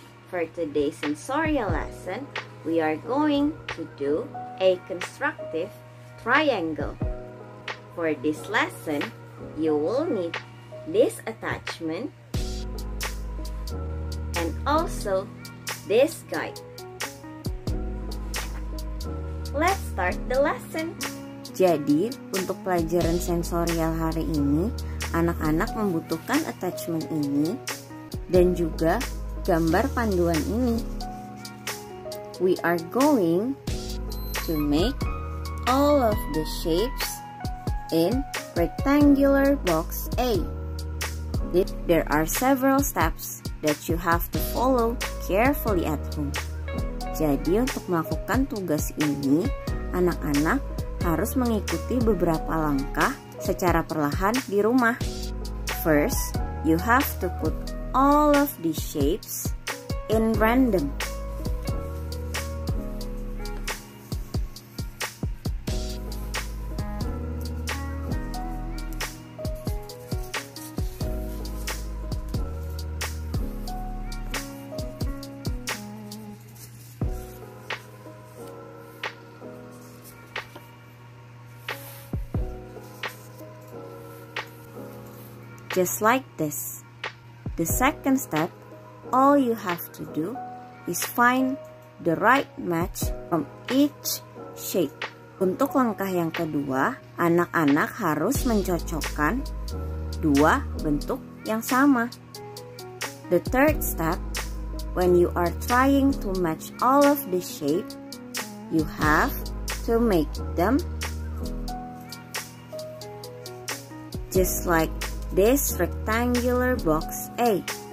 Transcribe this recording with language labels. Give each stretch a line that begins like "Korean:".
English: For today's sensorial lesson, we are going to do a constructive triangle. For this lesson, you will need this attachment and also this guide. Let's start the lesson.
Indonesian: Jadi, untuk pelajaran sensorial hari ini, anak-anak membutuhkan attachment ini dan juga gambar panduan ini.
English: We are going to make all of the shapes in rectangular box A. There are several steps that you have to follow carefully at home.
Indonesian: Jadi, untuk melakukan tugas ini, anak-anak harus mengikuti beberapa langkah secara perlahan di rumah.
English: First, you have to put all of these shapes in random. Just like this. The second step, all you have to do is find the right match from each shape.
Indonesian: Untuk langkah yang kedua, anak-anak harus mencocokkan dua bentuk yang sama.
English: The third step, when you are trying to match all of the shape, you have to make them just like this rectangular box A.